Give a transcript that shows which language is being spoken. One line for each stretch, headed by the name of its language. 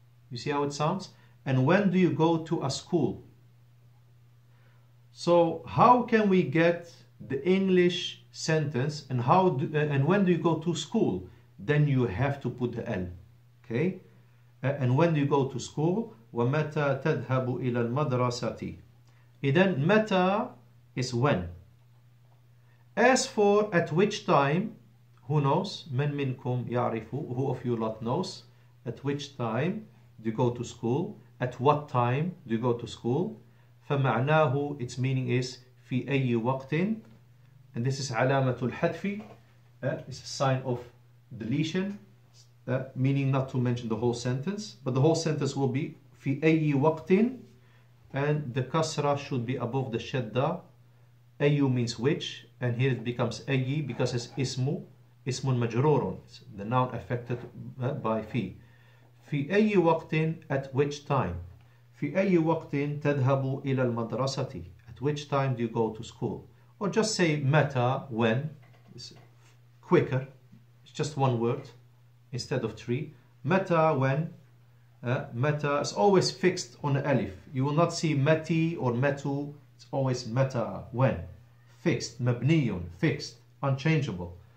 English: You see how it sounds? And when do you go to a school? So how can we get the English sentence, and how do, and when do you go to school? Then you have to put the L, okay? And when do you go to school?
Arabic: ومتى تذهب إلى المدرسة؟ إذن متى
English: is when. As for at which time, who knows?
Arabic: من منكم يعرف?
English: Who of you lot knows? At which time do you go to school? At what time do you go to school?
Arabic: فمعناه
English: its meaning is
Arabic: في أي وقت.
English: And this is علامة الحذف. It's a sign of deletion. Meaning not to mention the whole sentence. But the whole sentence will be
Arabic: في أي وقت.
English: And the kasra should be above the shadda. أي means which. And here it becomes أي because it's ismu.
Arabic: اسم مجرور.
English: The noun affected by في.
Arabic: في أي وقت,
English: at which time.
Arabic: في أي وقت تذهب إلى المدرسة.
English: At which time do you go to school. Or just say متى, when. It's quicker. It's just one word instead of three. متى, when. متى is always fixed on the alif. You will not see متي or متو. It's always متى, when. Fixed, مبنيون, fixed, unchangeable.